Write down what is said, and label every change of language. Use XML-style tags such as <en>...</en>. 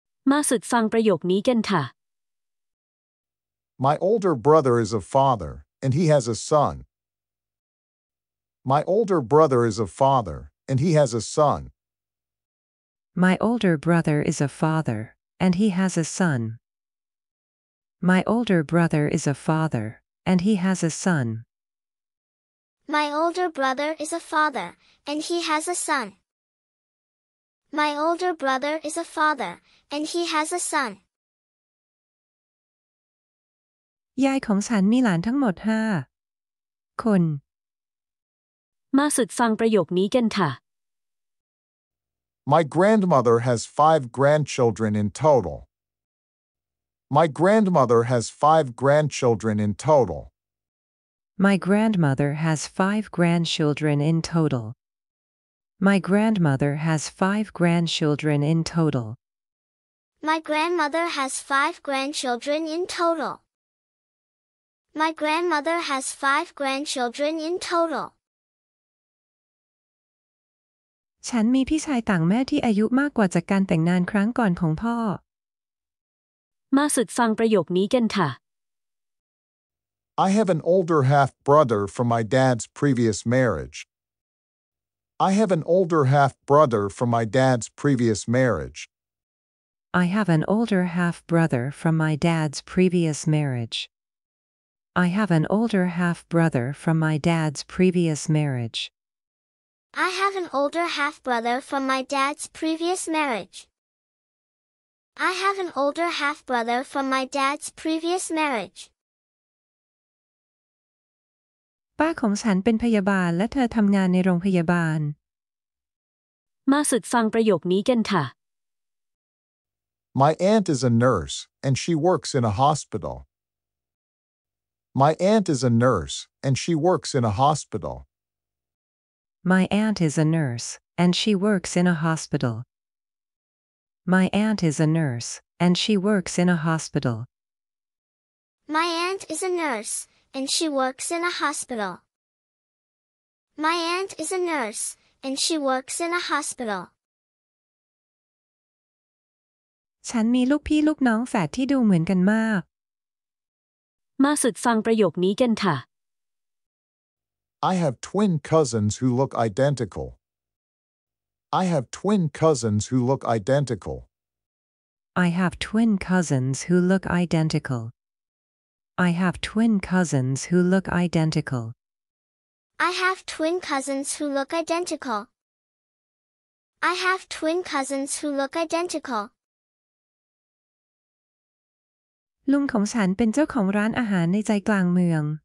<th>มาฝึกฟังประโยคนี้กันค่ะ</th> <en>My older brother is a father, and he has a son. My older brother is a father, and he has a son. My older brother is a father, and he has a son. My older brother is a father, and he has a son. My older brother is a father, and he has a son. My older brother is a father, and he has a son.</en> <th>ยายของฉันมีหลานทั้งหมด5คน มาฝึกฟังประโยคนี้กันค่ะ</th> <en>My grandmother has 5 grandchildren in total. My grandmother has 5 grandchildren in total. My grandmother has 5 grandchildren in total. My grandmother has 5 grandchildren in total. My grandmother has 5 grandchildren in total. My grandmother has 5 grandchildren in total.</en> <th>ฉันมีพี่ชายต่างแม่ที่อายุมากกว่าจากการแต่งงานครั้งก่อนของพ่อ มาฝึกฟังประโยคนี้กันค่ะ</th> <en>I have an older half-brother from my dad's previous marriage. I have an older half-brother from my dad's previous marriage. I have an older half-brother from my dad's previous marriage. I have an older half-brother from my dad's previous marriage. I have an older half-brother from my dad's previous marriage. I have an older half-brother from my dad's previous marriage.</en> <th>ป้าของฉันเป็นพยาบาลและเธอทำงานในโรงพยาบาล มาฝึกฟังประโยคนี้กันค่ะ</th> <en>My aunt is a nurse and she works in a hospital. My aunt is a nurse and she works in a hospital. My aunt is a nurse and she works in a hospital. My aunt is a nurse and she works in a hospital. My aunt is a nurse, and she works in a hospital. My aunt is a nurse, and she works in a hospital.</en> <th>ฉันมีลูกพี่ลูกน้องแฝดที่ดูเหมือนกันมาก มาฝึกฟังประโยคนี้กันค่ะ</th> <en>I have twin cousins who look identical. I have twin cousins who look identical. I have twin cousins who look identical. I have twin cousins who look identical. I have twin cousins who look identical. I have twin cousins who look identical.</en> <th>ลุงของฉันเป็นเจ้าของร้านอาหารในใจกลางเมือง</th>